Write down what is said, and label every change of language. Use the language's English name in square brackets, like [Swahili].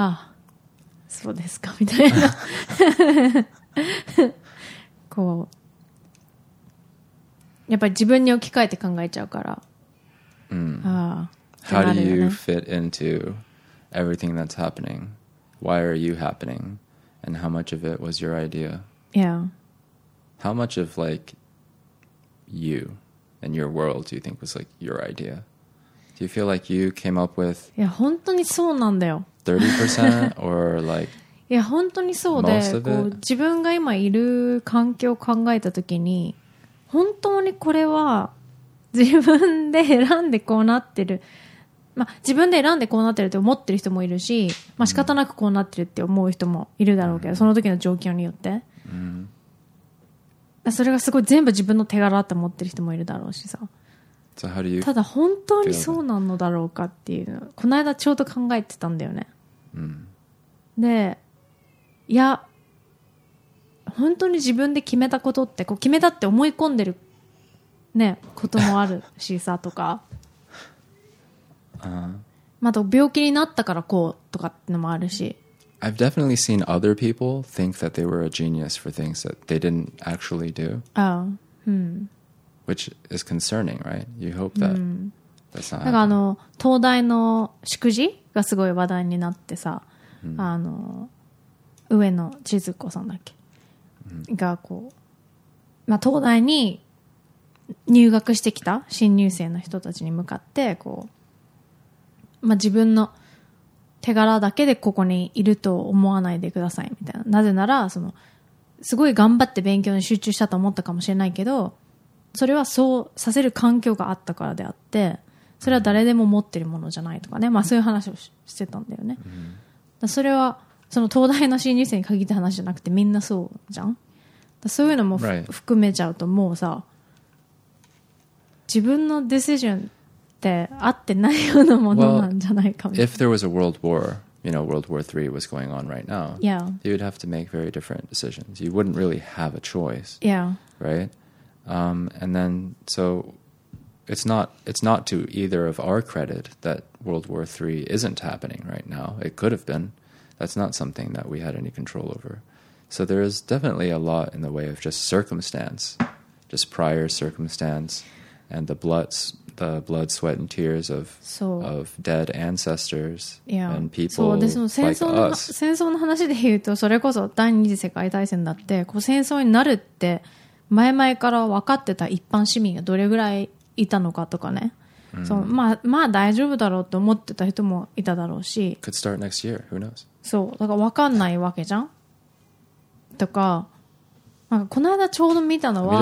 [Japanese] ああそうですかみたいなこうやっぱり自分に置き換えて考えちゃうから、 mm. ああ、 [English] ね、How do you fit into everything that's happening? Why are you happening? And how much of it was your idea? Yeah. How much of likeyou and your world do you think was like your idea? Do you feel like you came up with [Japanese] いや本当にそうなんだよ [English] 30% or like [Japanese] いや本当にそうで、こう自分が今いる環境を考えた時に本当にこれは自分で選んでこうなってる、まあ、自分で選んでこうなってるって思ってる人もいるし、まあ、仕方なくこうなってるって思う人もいるだろうけど、うん、その時の状況によって、うん、それがすごい全部自分の手柄って思ってる人もいるだろうしさ、 [English] so、how do you [Japanese] ただ本当にそうなのだろうかっていうのこの間ちょうど考えてたんだよね、うん、でいや本当に自分で決めたことってこう決めたって思い込んでる、ね、こともあるしさとか、あと病気になったからこうとかってのもあるし、 [English] I've definitely seen other people think that they were a genius for things that they didn't actually do. Oh, hmm. Which is concerning, right? You hope that、hmm. that's not [Japanese] happening. なんかあの東大のしくじがすごい話題になってさ、hmm. あの上野千鶴子さんだっけ、hmm. がこう、まあ、東大に入学してきた新入生の人たちに向かってこう、まあ、自分の手柄だけでここにいると思わないでくださいみたいな、なぜならそのすごい頑張って勉強に集中したと思ったかもしれないけど、それはそうさせる環境があったからであって、それは誰でも持ってるものじゃないとかね、まあそういう話を してたんだよね、うん、だそれはその東大の新入生に限った話じゃなくてみんなそうじゃん、だそういうのも、 [English] right. [Japanese] 含めちゃうともうさ自分のディシジョンって合ってないようなものなんじゃないかも。 [English] Well, if there was a world war, you know, World War III was going on right now. Yeah. You would have to make very different decisions. You wouldn't really have a choice. Yeah. Right? And then, so it's not to either of our credit that World War III isn't happening right now. It could have been. That's not something that we had any control over. So there is definitely a lot in the way of just circumstance, just prior circumstance, and the blood, sweat, and tears of dead ancestors and people like us. [Japanese] 戦争の話で言うと、それこそ第二次世界大戦だって、こう戦争になるって前々から分かってた一般市民がどれぐらいいたのかとかね。そう、まあ大丈夫だろうと思ってた人もいただろうし。 [English] Could start next year. Who knows? [Japanese] そう、だから分かんないわけじゃん。とか、なんかこの間ちょうど見たのは、